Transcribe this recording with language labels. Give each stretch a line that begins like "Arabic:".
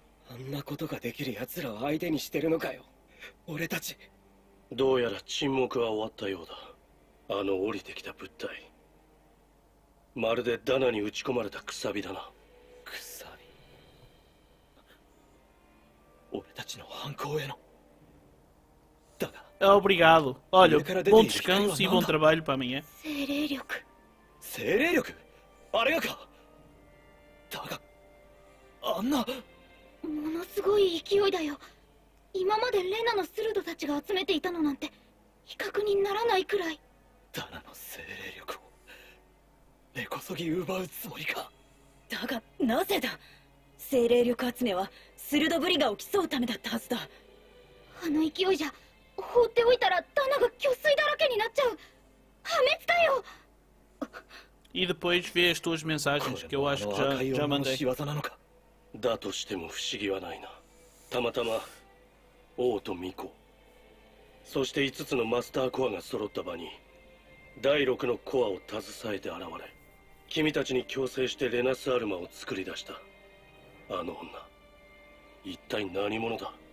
Japanese: あんなことができる奴らを相手にしてるのかよ、俺たち。どうやら沈黙は終わったようだ。あの降りてきた物体、まるでダナに打ち込まれたくさびだな。くさび、俺たちの犯行への。だが、
Portuguese: Obrigado. Olha, bom descanso e bom trabalho para amanhã.
Japanese: 精霊力。精霊力？あれがか？だが、あんな… ものすごい勢いだよ。今までレナのスルドたちが集めていたのなんて、比較にならないくらい。ダナの精霊力を、根こそぎ奪うつもりか。だが、なぜだ？精霊力集めは、スルドブリガを競うためだったはずだ。あの勢いじゃ放っておいたらダナが虚水だらけになっちゃう。破滅かよ。
Portuguese: E depois vê as tuas mensagens, que eu acho que já mandei.
Japanese: だとしても不思議はないな。たまたま王とミコ、そして5つのマスターコアが揃った場に第6のコアを携えて現れ、君たちに強制してレナス・アルマを作り出した。あの女一体何者だ。